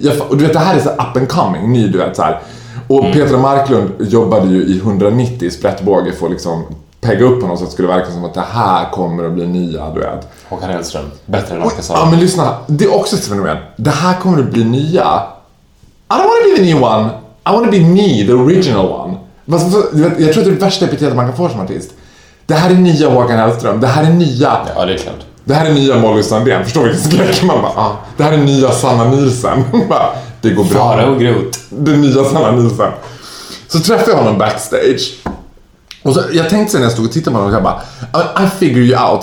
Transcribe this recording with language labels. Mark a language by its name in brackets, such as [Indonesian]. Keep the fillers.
[Swedish] Fa- och du vet, det här är så här [English] up and coming, [Swedish] ny du vet så här. Och mm. Petra Marklund jobbade ju i 190 sprättbåge för att liksom pegga upp honom så att det skulle verka som att det här kommer att bli nya, du vet. Håkan Hellström, bättre än Oscar Ja, men lyssna, det är också ett fenomen. Det här kommer att bli nya. [English] I don't wanna be the new one. I wanna be me, the original one. [Swedish] Jag tror att det är det värsta epitetet man kan få som artist. Det här är nya Håkan Hellström. Det här är nya. Ja, det är klart. Det här är nya Molly Sandén. Förstår du vilken skräck? Man bara, ah, mm. det här är nya Sanna Nilsen. det går bra. Fara och grot. Det nya Sanna Nilsen. Så träffade jag honom backstage. Och så, jag tänkte sen när jag stod och tittade på honom, jag bara, [English] I, I, figure you out.